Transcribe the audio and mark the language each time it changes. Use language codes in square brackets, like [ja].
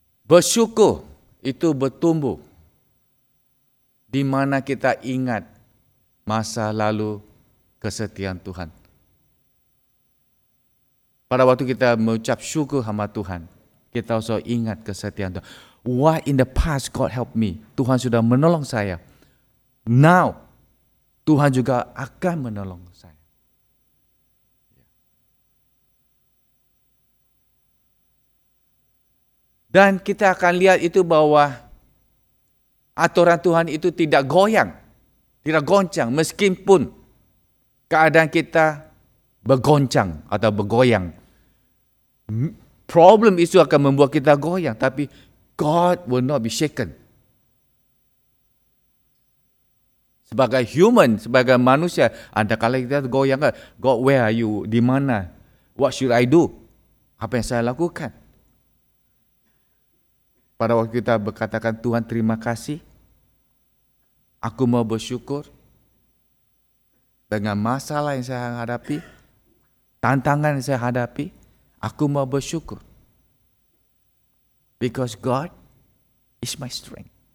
[id] Bersyukur itu bertumbuh di mana kita ingat masa lalu kesetiaan Tuhan. Pada waktu kita mengucap syukur sama Tuhan, kita harus ingat kesetiaan Tuhan. [en] Why in the past God help me? [id] Tuhan sudah menolong saya. Now, Tuhan juga akan menolong saya. Dan kita akan lihat itu bahwa aturan Tuhan itu tidak goyang, tidak goncang, meskipun keadaan kita bergoncang atau bergoyang. Problem itu akan membuat kita goyang, tapi [en] God will not be shaken. [id] Sebagai human, sebagai manusia, ada kala kita goyang, [en] God, where are you? [id] Di mana? [en] What should I do? [id] Apa yang saya lakukan? Pada waktu kita berkatakan, Tuhan terima kasih, aku mau bersyukur dengan masalah yang saya hadapi, tantangan yang saya hadapi, aku mau bersyukur. [en] Because God is my strength.